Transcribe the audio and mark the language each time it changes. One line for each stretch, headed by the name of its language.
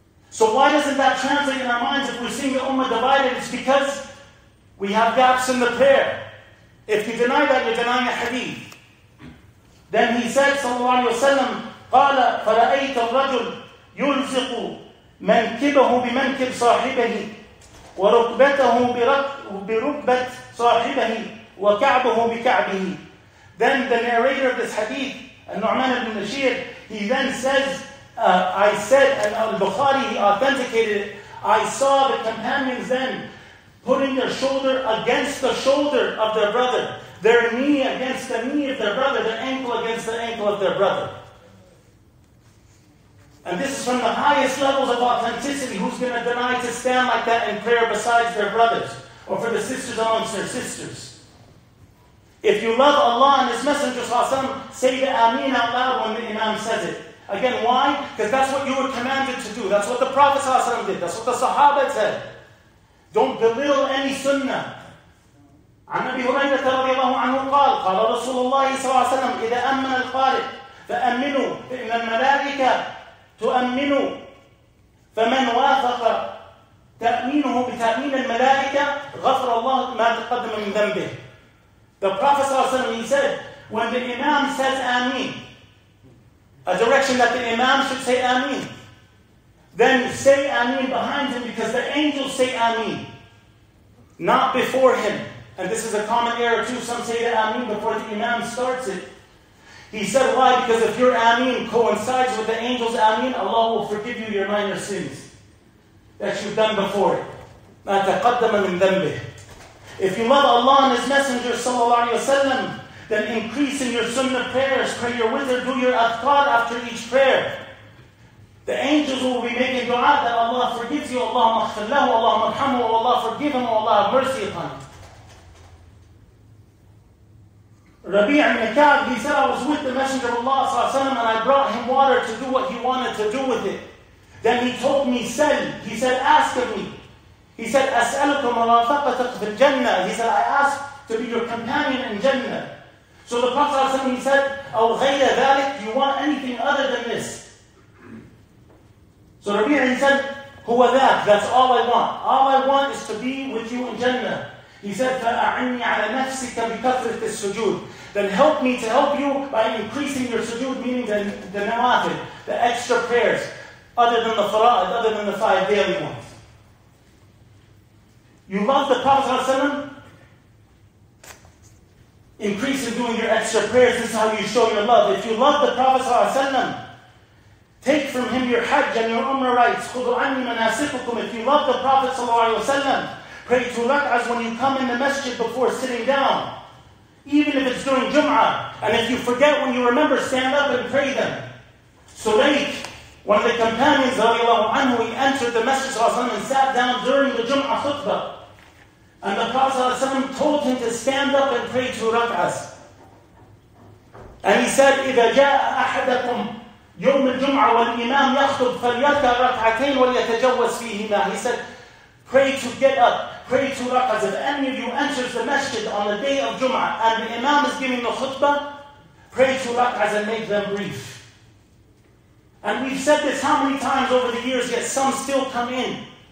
English: So why doesn't that translate in our minds if we're seeing the ummah divided? It's because we have gaps in the prayer. If you deny that, you're denying a hadith. Then he said, sallallahu alayhi wa sallam,
Arabic: قَالَ فَرَأَيْتَ الرَّجُلْ يُلْزِقُ منكبه بمنكب صاحبه وركبته بركبة صاحبه وكعبه بكعبه.
English: Then the narrator of this hadith, النعمان بن بشير, he then says, I said, and Al-Bukhari, he authenticated it, I saw the companions then putting their shoulder against the shoulder of their brother, their knee against the knee of their brother, their ankle against the ankle of their brother. And this is from the highest levels of authenticity. Who's going to deny to stand like that in prayer besides their brothers or for the sisters amongst their sisters? If you love Allah and His Messenger, say the Ameen out loud when the Imam says it. Again, why? Because that's what you were commanded to do. That's what the Prophet did. That's what the Sahaba said. Don't belittle any sunnah.
Arabic: عن أبي هريرة رضي الله عنه قال قال رسول الله صلى الله عليه وسلم إذا أمن القارئ فأمنوا فإن الملائكة تؤمنوا فمن وافق تأمينه بتأمين الملائكة غفر الله ما تقدم من ذنبه.
English: The Prophet
Arabic: صلى الله عليه وسلم,
English: he said, when the Imam says Ameen, a direction that the Imam should say Ameen, then say Ameen behind him because the angels say Ameen, not before him. And this is a common error too. Some say the Ameen before the Imam starts it. He said, why? Because if your Ameen coincides with the angel's Ameen, Allah will forgive you your minor sins that you've done before.
Arabic: مَا تَقَدَّمَ مِنْ ذَنْبِهِ.
English: If you love Allah and His Messenger, sallallahu alayhi wa sallam, then increase in your sunnah prayers, pray your wizard, do your adhkar after each prayer. The angels will be making dua that Allah forgives you, Allah maghfir lahu, Allah marhamhu, Allah forgive him, Allah have mercy upon him. Rabi' al-Makab, he said, I was with the Messenger of Allah
Arabic: صلى الله عليه وسلم,
English: and I brought him water to do what he wanted to do with it. Then he told me, sell. He said, ask of me. He said,
Arabic: أسألكم رافقتك في الجنة.
English: He said, I ask to be your companion in Jannah. So the Prophet
Arabic: صلى الله عليه وسلم,
English: he said,
Arabic: أو غير ذلك,
English: you want anything other than this. So Rabi' he said,
Arabic: هو ذاك,
English: that's all I want. All I want is to be with you in Jannah. He said,
Arabic: فأعني على نفسك بكثرة السجود.
English: Then help me to help you by increasing your sujood, meaning the nawafil, the extra prayers, other than the fara'id, other than the five daily ones. You love the Prophet ﷺ? Increase in doing your extra prayers. This is how you show your love. If you love the Prophet ﷺ, take from him your hajj and your umrah rights.
Arabic: خُذُوا عَنِّي مَنَاسِكُكُمْ.
English: If you love the Prophet ﷺ, pray two rak'ahs when you come in the masjid before sitting down. Even if it's during Jum'ah. And if you forget when you remember, stand up and pray them. Sulayk, one of the companions, he entered the masjid and sat down during the Jum'ah khutbah. And the Prophet told him to stand up and pray two rak'ahs. And he said,
Arabic: إِذَا جَاءَ أَحَدَكُمْ يَوْمِ الْجُمْعَةِ وَالْإِمَامِ يَخْطُبْ فَلْيَرْكَ رَكْعَتَيْنِ وَلْيَتَجَوَّزْ فِيهِمَا.
English: He said, pray to get up, pray to rak'ahs. If any of you enters the masjid on the day of Jum'ah and the Imam is giving the khutbah, pray to rak'ahs and make them brief. And we've said this how many times over the years, yet some still come in.